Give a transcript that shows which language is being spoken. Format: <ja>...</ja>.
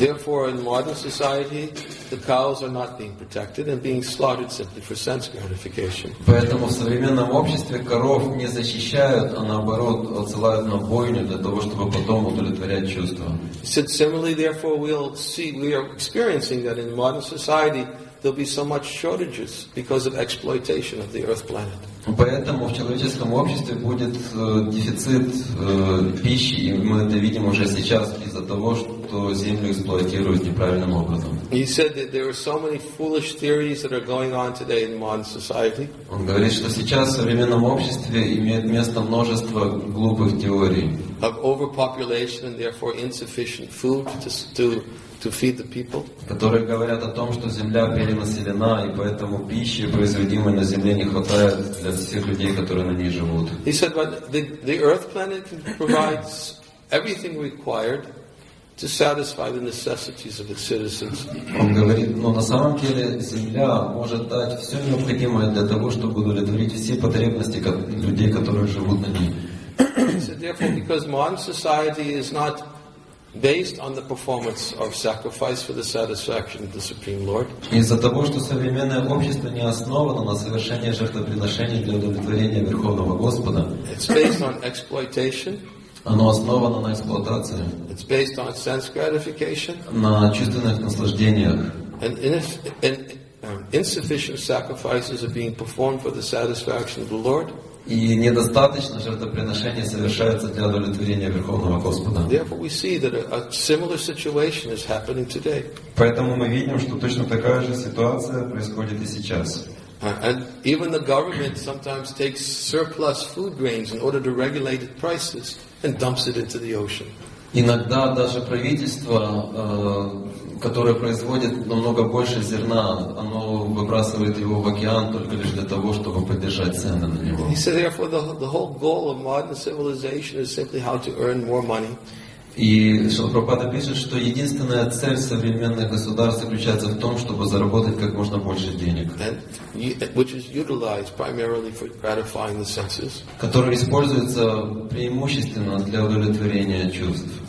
<en>Therefore, in modern society, the cows are not being protected and being slaughtered simply for sense gratification.</en> <ru>Поэтому в современном обществе коров не защищают, а наоборот отсылают на бойню для того, чтобы потом удовлетворять чувства.</ru> <en>Similarly, therefore, we are experiencing that in modern society there'll be so much shortages because of exploitation of the earth planet.</en> <ru>Поэтому в человеческом обществе будет дефицит пищи, и мы это видим уже сейчас из-за того, что землю эксплуатируют неправильным образом.</ru> <en>He said that there are so many foolish theories that are going on today in modern society.</en> <ru>Он говорит, что сейчас в современном обществе имеет место множество глупых теорий.</ru> <en>Of overpopulation and therefore insufficient food to feed the people.</en> <ru>Которые говорят о том, что земля перенаселена, и поэтому пищи, производимой на земле, не хватает для всех людей, которые на ней живут.</ru> <en>He said, but the earth planet provides everything required to satisfy the necessities of its citizens.</en> <ru>Он говорит, но на самом деле земля может дать все необходимое для того, чтобы удовлетворить все потребности людей, которые живут на ней.</ru> <en>So therefore, because modern society is not based on the performance of sacrifice for the satisfaction of the Supreme Lord.</en> <ru>Из-за того, что современное общество не основано на совершении жертвоприношений для удовлетворения Верховного Господа.</ru> <en>It's based on exploitation.</en> <ru>Оно основано на эксплуатации.</ru> <en>It's based on sense gratification.</en> <ru>На чувственных наслаждениях.</ru> <en>And insufficient sacrifices are being performed for the satisfaction of the Lord.</en> <ru>И недостаточно жертвоприношения совершаются для удовлетворения Верховного Господа.</ru> <en>Therefore, we see that a similar situation is happening today.</en> <ru>Поэтому мы видим, что точно такая же ситуация происходит и сейчас.</ru> <en>And even the government sometimes takes surplus food grains in order to regulate its prices and dumps it into the ocean.</en> <ru>Иногда даже правительство, которое производит намного больше зерна, оно выбрасывает его в океан только лишь для того, чтобы поддержать цены на него.</ru> <en>He said, therefore, the whole goal of modern civilization is simply how to earn more money.</en> <ru>И Шилпрапада пишет, что единственная цель современных государств заключается в том, чтобы заработать как можно больше денег, который используется преимущественно для удовлетворения чувств.</ru>